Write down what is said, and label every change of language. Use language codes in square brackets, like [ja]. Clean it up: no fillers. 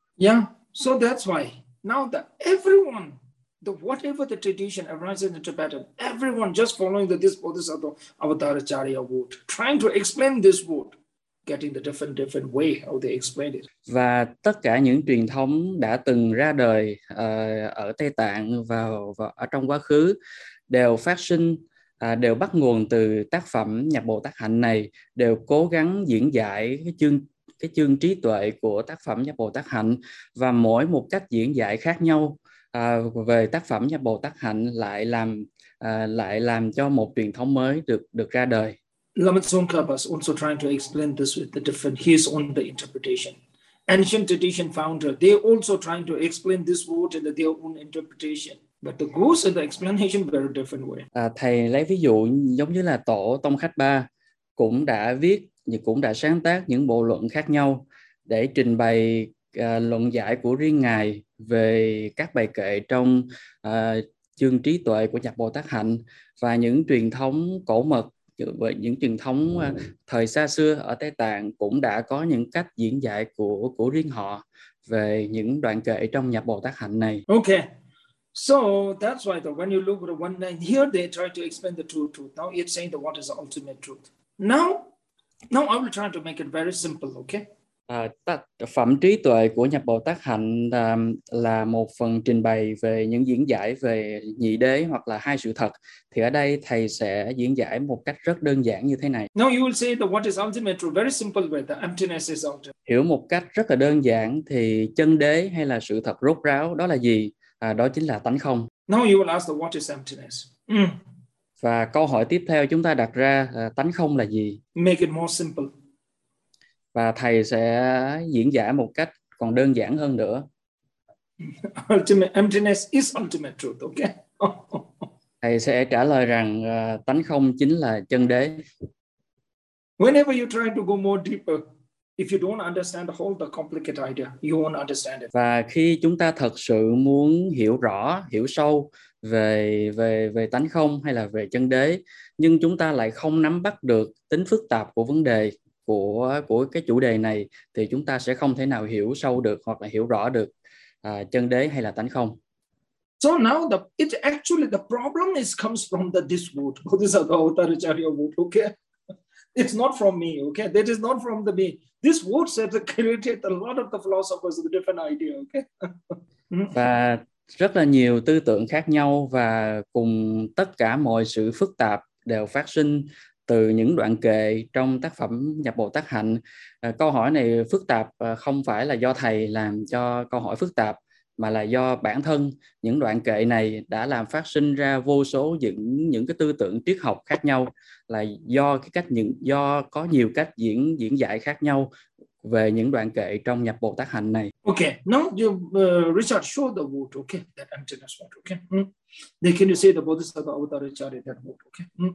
[en] Yeah, so that's why now that everyone, the whatever the tradition arises in Tibetan, everyone just following this Bodhisattva Avataracharya route, trying to explain this route, getting the different way how they explain it. [vi] Và tất cả những truyền thống đã từng ra đời ở Tây Tạng ở trong quá khứ đều phát sinh, đều bắt nguồn từ tác phẩm Nhập Bồ Tát Hạnh này, đều cố gắng diễn giải cái chương trí tuệ của tác phẩm Nhập Bồ Tát Hạnh, và mỗi một cách diễn giải khác nhau về tác phẩm Nhập Bồ Tát Hạnh lại làm cho một truyền thống mới được ra đời. [en] Lama Tsongkhapa is also trying to explain this with the different his own the interpretation. Ancient tradition founder, they also trying to explain this word in their own interpretation. But the goals and the explanation were a different way. [vi] Thầy lấy ví dụ giống như là Tổ Tông Khách Ba cũng đã viết, cũng đã sáng tác những bộ luận khác nhau để trình bày luận giải của riêng Ngài về các bài kệ trong chương trí tuệ của Nhập Bồ Tát Hạnh. Và những truyền thống cổ mật, những truyền thống thời xa xưa ở Tây Tạng cũng đã có những cách diễn giải của riêng họ về những đoạn kệ trong Nhập Bồ Tát Hạnh này. [en] Okay. So that's why though, when you look at the one line here, they try to explain the true truth. Now it's saying that what is the ultimate truth. Now I will try to make it very simple, okay? [vi] Phẩm trí tuệ của Nhập Bồ Tát Hạnh là một phần trình bày về những diễn giải về nhị đế hoặc là hai sự thật. Thì ở đây thầy sẽ diễn giải một cách rất đơn giản như thế này. [en] Now you will say that what is ultimate truth, very simple way, the emptiness is ultimate. [vi] Hiểu một cách rất là đơn giản thì chân đế hay là sự thật rốt ráo đó là gì? Đó chính là tánh không. [en] Now you will ask the what is emptiness. Mm. [vi] Và câu hỏi tiếp theo chúng ta đặt ra là tánh không là gì? [en] Make it more simple. [vi] Và thầy sẽ diễn giải một cách còn đơn giản hơn nữa. [en] Ultimate emptiness is ultimate truth, okay? [vi] Thầy sẽ trả lời rằng tánh không chính là chân đế. [en] Whenever you try to go more deeper, if you don't understand the whole the complicated idea, you won't understand it. [vi] Và khi chúng ta thật sự muốn hiểu rõ, hiểu sâu về tánh không hay là về chân đế, nhưng chúng ta lại không nắm bắt được tính phức tạp của vấn đề của cái chủ đề này, thì chúng ta sẽ không thể nào hiểu sâu được hoặc là hiểu rõ được chân đế hay là tánh không. [en] So now the problem is comes from the this word. This is the Avataracharya word, okay? It's not from me, okay? That is not from the me. This word has created a lot of the philosophers with different idea, okay? [vi] Và rất là nhiều tư tưởng khác nhau, và cùng tất cả mọi sự phức tạp đều phát sinh từ những đoạn kệ trong tác phẩm Nhập Bồ Tát Hạnh. Câu hỏi này phức tạp không phải là do thầy làm cho câu hỏi phức tạp, mà là do bản thân những đoạn kệ này đã làm phát sinh ra vô số những cái tư tưởng triết học khác nhau, là do cái cách những do có nhiều cách diễn giải khác nhau về những đoạn kệ trong Nhập Bồ Tát Hạnh này. [en] Okay, now you Richard show the word, okay, that emptiness word, okay. Then can you say the Bodhisattva Avataracharya that word, okay?